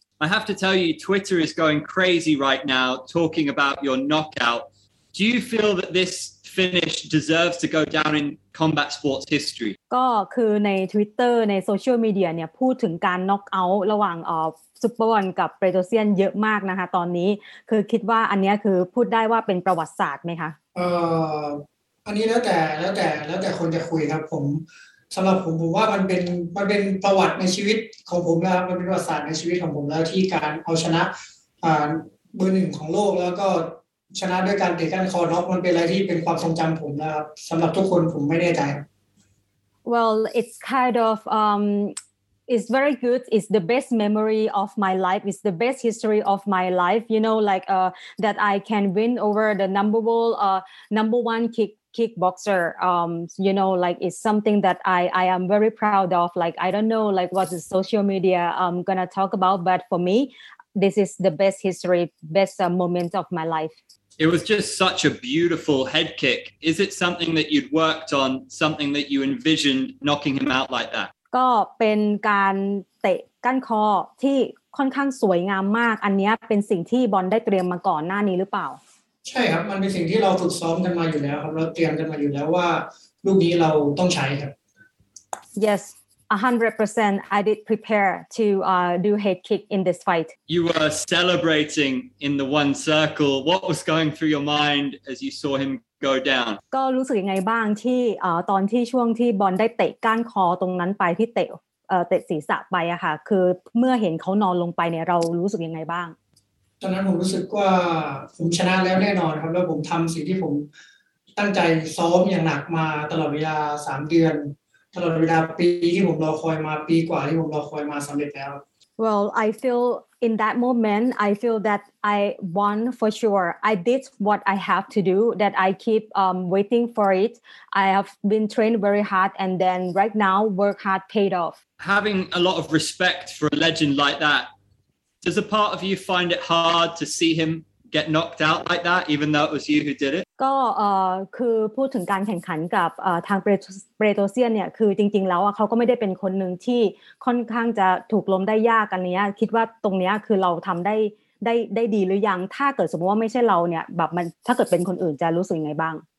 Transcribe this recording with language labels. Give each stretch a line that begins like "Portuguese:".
English: I have to tell you, Twitter is going crazy right now talking about your knockout. Do you feel that this finish deserves to go down in combat sports history?
Thai: ก็คือใน Twitter ในโซเชียลมีเดียเนี่ยพูดถึงการน็อกเอาท์ระหว่างซุปเปอร์บอลกับเปโตรเซียนเยอะมากนะคะตอนนี้คือคิดว่าอันนี้คือพูดได้ว่าเป็นประวัติศาสตร์ไหมคะ อันนี้แล้วแต่คนจะคุยครับผมสำหรับผมว่ามันเป็นประวัติในชีวิตของผมแล้วมันเป็นประวัติศาสตร์ในชีวิตของผมแล้วที่การเอาชนะเบอร์หนึ่งของโลกแล้วก็ชนะด้วยการเด็กกันคอร์น็อกมันเป็นอะไรที่เป็นความทรงจำผมนะครับสำหรับทุกคนผมไม่แน่ใจ
English: Well it's kind of It's very good. It's the best memory of my life. It's the best history of my life. You know, like that I can win over the number one kickboxer. You know, like it's something that I am very proud of. Like, I don't know, like what the social media I'm going to talk about. But for me, this is the best history, best moment of my life. It was just such a beautiful head kick. Is it something that you'd worked on, something that you envisioned knocking him out like that?
Thai: ก็เป็นการเตะก้านคอที่ค่อนข้างสวยงามมากอันนี้เป็นสิ่งที่บอลได้เตรียมมาก่อนหน้านี้หรือเปล่า ใช่ครับมันเป็นสิ่งที่เราฝึกซ้อมกันมาอยู่แล้วครับเราเตรียมกันมาอยู่แล้วว่าลูกนี้เราต้องใช้ครับ
English: Yes 100% I did prepare to do head kick in this fight You were celebrating in the one circle What was going through your mind as you saw him
Thai: ก็รู้สึกยังไงบ้างที่ตอนที่ช่วงที่บอลได้เตะก้านคอตรงนั้นไปที่เตะศีรษะไปอะค่ะคือเมื่อเห็นเขานอนลงไปเนี่ยเรารู้สึกยังไงบ้าง ตอนนั้นผมรู้สึกว่าผมชนะแล้วแน่นอนครับแล้วผมทำสิ่งที่ผมตั้งใจซ้อมอย่างหนักมาตลอดเวลา3เดือนตลอดเวลาปีที่ผมรอคอยมาปีกว่าที่ผมรอคอยมาสำเร็จแล้ว
English: Well I feelIn that moment, I feel that I won for sure. I did what I have to do, that I keep waiting for it. I have been trained very hard, and then right now, work hard paid off. Having a lot of respect for a legend like that, does a part of you find it hard to see him get knocked out like that, even though it was you who did it?
Thai: ก็คือพูดถึงการแข่งขันกับทางเปโตรเซียนเนี่ยคือจริงๆแล้วเขาก็ไม่ได้เป็นคนหนึ่งที่ค่อนข้างจะถูกล้มได้ยากกันเนี้ยคิดว่าตรงเนี้ยคือเราทำได้ดีหรือยังถ้าเกิดสมมติว่าไม่ใช่เราเนี่ยแบบมันถ้าเกิดเป็นคนอื่นจะรู้สึกยังไงบ้าง